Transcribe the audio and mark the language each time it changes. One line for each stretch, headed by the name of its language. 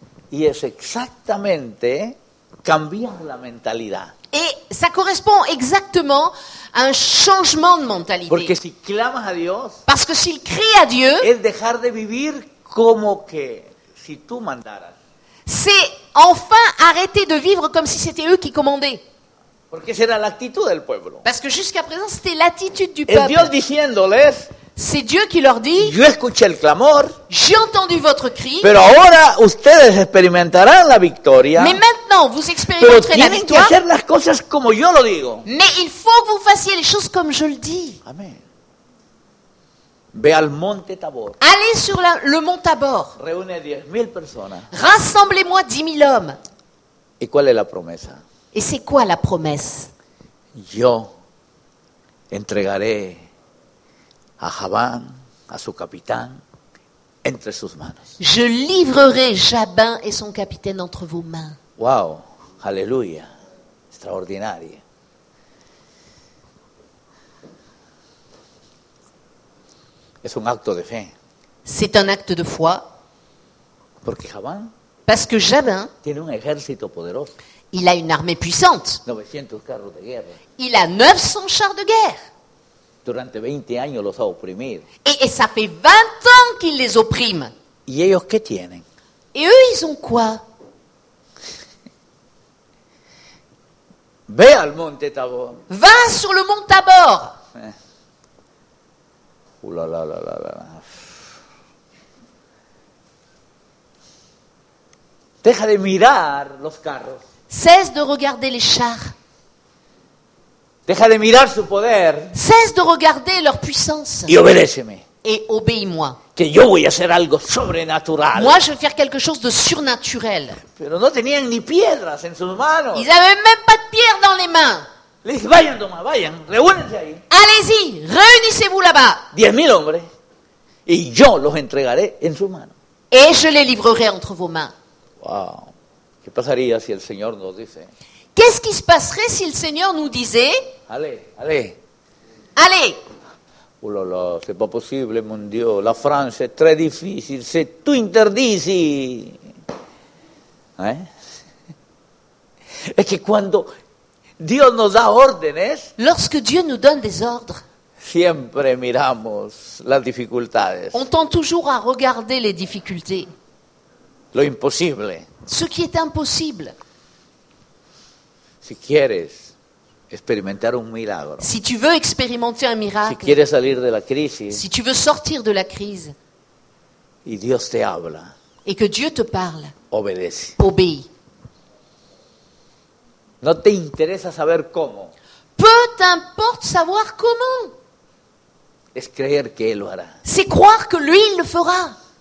Spanish: Y es exactamente cambiar la mentalidad.
French: Et ça correspond exactement à un changement de mentalité.
Spanish: Porque si clamas a Dios,
French: parce que s'il crie à Dieu,
Spanish: es dejar de vivir como que si tú mandaras.
French: C'est enfin arrêter de vivre comme si c'était eux qui commandaient.
Spanish: Porque esa era la actitud del pueblo.
French: Parce que jusqu'à présent, c'était l'attitude du
Spanish: es
French: peuple.
Spanish: Dios diciéndoles,
French: c'est Dieu qui leur dit,
Spanish: yo escuché el clamor,
French: j'ai entendu votre cri,
Spanish: pero ahora ustedes experimentarán la victoria,
French: mais maintenant vous expérimenterez la victoire,
Spanish: que hacer las cosas como yo lo digo.
French: Mais il faut que vous fassiez les choses comme je le dis.
Spanish: Amen. Ve al monte Tabor.
French: Allez sur la, le mont Tabor.
Spanish: Réunez 10 000 personas.
French: Rassemblez-moi 10 000 hommes. Et, quelle est la promesse? Et c'est quoi la promesse?
Spanish: Yo entregaré a Jabin, a su capitán, entre sus manos.
French: Je livrerai Jabin et son capitaine entre vos mains.
Spanish: Wow, aleluya, extraordinaria. Es un acto de fe.
French: C'est un acte de foi.
Spanish: Porque Jabin.
French: Parce que Jabin.
Spanish: Tiene un ejército poderoso.
French: Il a une armée puissante.
Spanish: 900 carros de guerra.
French: Il a 900 chars de guerre.
Spanish: Durante 20 años los ha oprimido.
French: Et ça fait 20 ans qu'il les opprime.
Spanish: ¿Y ellos qué tienen?
French: Et eux, ils ont quoi?
Spanish: Ve al monte Tabor.
French: Va sur le mont Tabor. Oula la la la la.
Spanish: Deja de mirar los carros.
French: Cesse de regarder les chars.
Spanish: Deja de mirar su poder.
French: Cesse de regarder leur puissance.
Spanish: Y obedéceme.
French: Et obéis-moi.
Spanish: Que yo voy a hacer algo sobrenatural.
French: Moi, je vais faire quelque chose de surnaturel.
Spanish: Pero no tenían ni piedras en sus manos.
French: Ils n'avaient même pas de pierre dans les mains.
Spanish: Les vayan, Thomas, vayan, reúnense ahí.
French: Allez-y, réunissez-vous là-bas.
Spanish: 10,000 hombres. Y yo los entregaré en sus manos.
French: Et je les livrerai entre vos mains. Wow.
Spanish: ¿Qué pasaría si el Señor nos dice?
French: Qu'est-ce qui se passerait si le Seigneur nous disait? Allez, allez. Allez. Oh là là, c'est pas possible, mon Dieu. La France est très difficile, c'est tout interdit. Hein? Et que quand Dieu nous a ordonnés, lorsque Dieu nous donne des ordres,
Spanish: siempre miramos las dificultades.
French: On tend toujours à regarder les difficultés.
Spanish: Lo imposible.
French: Ce qui est impossible.
Spanish: Si quieres experimentar un milagro.
French: Si tu veux expérimenter un miracle.
Spanish: Si quieres salir de la crisis.
French: Si tu veux sortir de la crise.
Spanish: Y Dios te habla.
French: Et que Dieu te parle.
Spanish: Obedece.
French: Obéis.
Spanish: No te interesa saber cómo.
French: Peu importe savoir comment.
Spanish: Es creer que Él lo hará.
French: C'est croire que lui il le fera.